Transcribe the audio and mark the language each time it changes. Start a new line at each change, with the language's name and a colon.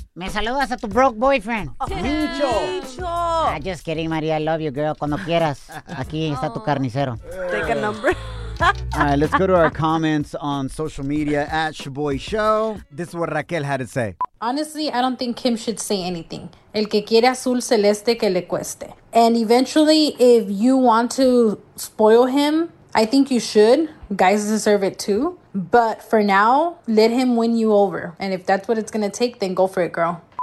Spanish: Me saludas a tu
English: broke boyfriend.
Spanish: Micho.
English: I'm just kidding, María. I love you, girl.
Spanish: Cuando quieras, aquí está tu carnicero.
English: Take a number. All right, let's go to our comments on social media at Shaboy Show. This is what Raquel had to say. Honestly, I don't think Kim should say anything.
Spanish: El que quiere azul celeste que le cueste.
English: And eventually, if you want to spoil him, I think you should. Guys deserve it too. But for now, let him win you over. And if that's what it's going to take, then go for it, girl.